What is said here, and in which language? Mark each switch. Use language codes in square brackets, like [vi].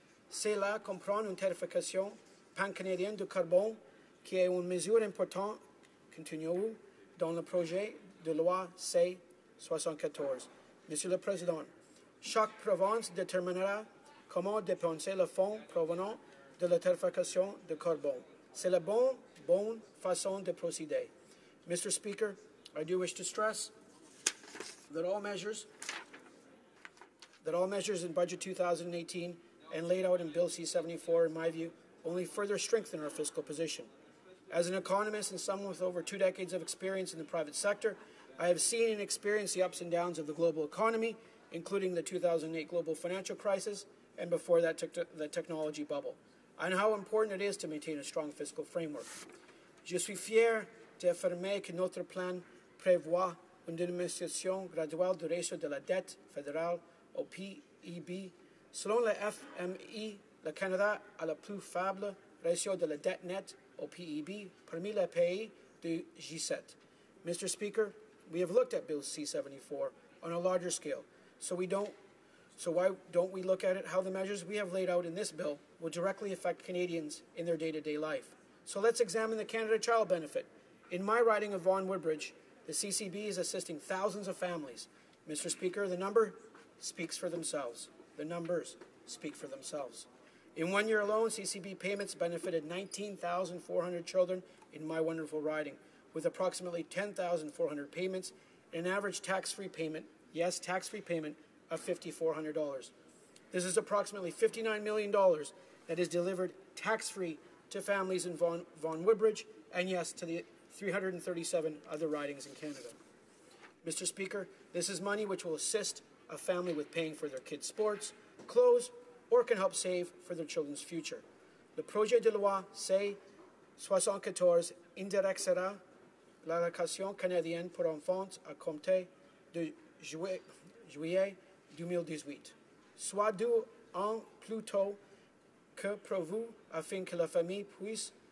[fr] Cela comprend une tarification pan-canadienne du carbone, qui est une mesure importante, continue-t-il, dans le projet de loi C-74. Monsieur le Président, chaque province déterminera comment dépenser le fonds provenant de la tarification de carbone. C'est la bonne façon de procéder. Mr. [en] Speaker, I do wish to stress that all measures in Budget 2018 and laid out in Bill C-74, in my view, only further strengthen our fiscal position. As an economist and someone with over 2 decades of experience in the private sector, I have seen and experienced the ups and downs of the global economy, including the 2008 global financial crisis and before that the technology bubble, and how important it is to maintain a strong fiscal framework. [fr] Je suis fier d'affirmer que notre plan prévoit une diminution graduelle du ratio de la dette fédérale au PIB. Selon le FMI, le Canada a le plus faible ratio de la dette nette au PIB parmi les pays du G7. [en] Mr. Speaker, we have looked at Bill C-74 on a larger scale, so why don't we look at it how the measures we have laid out in this bill will directly affect Canadians in their day-to-day life? So let's examine the Canada Child Benefit. In my riding of Vaughan Woodbridge, the CCB is assisting thousands of families. Mr. Speaker, the number speaks for themselves. The numbers speak for themselves. In 1 year alone, CCB payments benefited 19,400 children in my wonderful riding, with approximately 10,400 payments and an average tax-free payment, yes, tax-free payment, of $5,400. This is approximately $59 million that is delivered tax-free to families in Vaughan Woodbridge and, yes, to the 337 other ridings in Canada. Mr. Speaker, this is money which will assist a family with paying for their kids' sports, clothes, or can help save for their children's future. [fr] Le projet de loi C-74 indirectera l'allocation canadienne pour enfants à compter de juillet 2018, soit 2 ans plus tôt que prévu afin que la famille puisse